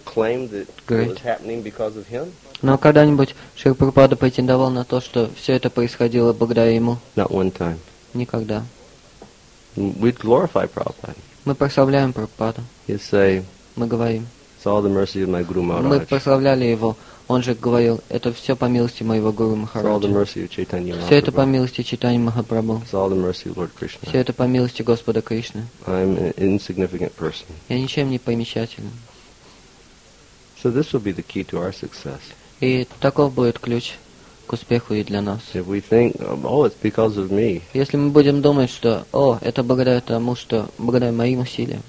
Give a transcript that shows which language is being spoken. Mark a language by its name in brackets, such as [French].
[English] claim that it was happening because of him? [Russian] Но когда-нибудь Шрила Прабхупада претендовал на то, что все это происходило благодаря ему? [English] Not one time. [Russian] Никогда. [English] We glorify Prabhupada. [Russian] Мы прославляем Прабхупаду. [English] You say. [Russian] Мы говорим. [English] It's all the mercy of my Guru Maharaj. [Russian] Мы прославляли его. Он же говорил, это все по милости моего Гуру Махараджа. [English] It's all the mercy of Chaitanya Mahaprabhu. [Russian] Все это по милости Чайтаньи Махапрабху. [English] It's all the mercy of Lord Krishna. [Russian] Все это по милости Господа Кришны. [English] I'm an insignificant person. [Russian] Я ничем не помещательный. [English] So this will be the key to our success. [Russian] И таков будет ключ к успеху и для нас. [English] If we think, oh, it's because of me. [Russian] Если мы будем думать, что, о, это благодаря тому, что благодаря моим усилиям.